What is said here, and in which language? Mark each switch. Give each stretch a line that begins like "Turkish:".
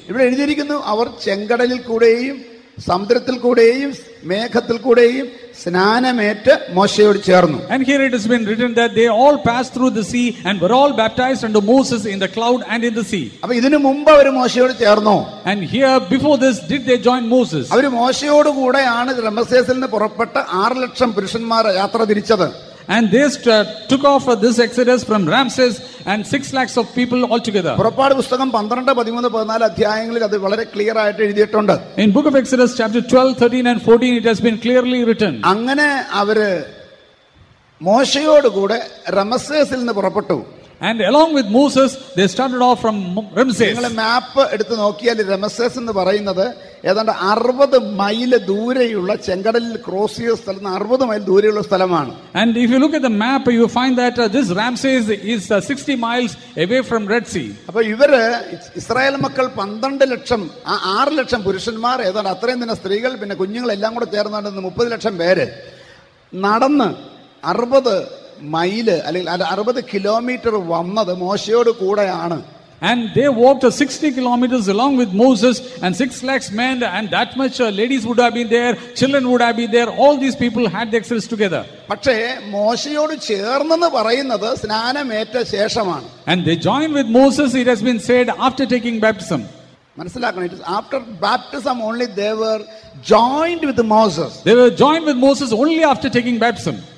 Malayalam: ഇവിടെ എഴുതിയിരിക്കുന്നു അവർ ചെങ്കടലിൽ കൂടെയും സമുദ്രത്തിൽ കൂടെയും മേഘത്തിൽ കൂടെയും സ്നാനമേറ്റ് മോശയോട് ചേർന്നു.
English: And here it has been written that they all passed through the sea and were all baptized unto Moses in the cloud and in the sea.
Malayalam: അപ്പൊ ഇതിനു മുമ്പ് അവർ മോശയോട് ചേർന്നോ?
English: And here before this did they join Moses?
Malayalam: അവർ മോശയോട് കൂടെയാണ് റമസേസിൽ നിന്ന് പുറപ്പെട്ട് 600,000 പുരുഷന്മാർ യാത്ര തിരിച്ചത്.
English: And they took off this exodus from Ramses and 6 lakhs of people altogether.
Malayalam: പുറപ്പാട് പുസ്തകം 12, 13, 14 അധ്യായങ്ങളിൽ അത് വളരെ ക്ലിയർ ആയിട്ട് എഴുതിയിട്ടുണ്ട്.
English: In book of Exodus chapter 12, 13, and 14 it has been clearly written.
Malayalam: അങ്ങനെ അവര് മോശയോട് കൂടെ റമസേസിൽ നിന്ന് പുറപ്പെട്ടു.
English: And along with Moses they started off from Ramses.
Malayalam: നിങ്ങൾ മാപ്പ് എടുത്ത് നോക്കിയാൽ റമസേസ് എന്ന് പറയുന്നത് ഏതാണ്ട് 60 മൈല് ദൂരെയുള്ള ചെങ്കടലിൽ ക്രോസ് ചെയ്ത സ്ഥലം 60 മൈൽ ദൂരെയുള്ള സ്ഥലമാണ്.
English: And if you look at the map you find that this Ramses is 60 miles away from Red Sea.
Malayalam: അപ്പോൾ ഇവര് ഇസ്രായേൽ മക്കൾ 1,200,000 ആ 600,000 പുരുഷന്മാർ ഏതാണ്ട് അത്രയും തന്നെ സ്ത്രീകൾ പിന്നെ കുഞ്ഞുങ്ങൾ എല്ലാം കൂടെ ചേർന്നാണ് 300,000 പേര് നടന്ന് 60 മൈല് അല്ലെങ്കിൽ 60 കിലോമീറ്റർ വന്നത് മോശയോട് കൂടെയാണ്.
English: And they walked 60 kilometers along with Moses and 6 lakhs men and that much ladies would have been there, children would have been there, all these people had the exodus together.
Malayalam: പക്ഷേ മോശയോട് ചേർന്നെന്ന് പറയുന്നത് സ്നാനമേറ്റ ശേഷമാണ്.
English: And they joined with Moses, it has been said, after taking baptism.
Malayalam: മനസ്സിലാക്കണം,
English: it is after baptism only they were joined with Moses. They were joined with Moses only after taking baptism.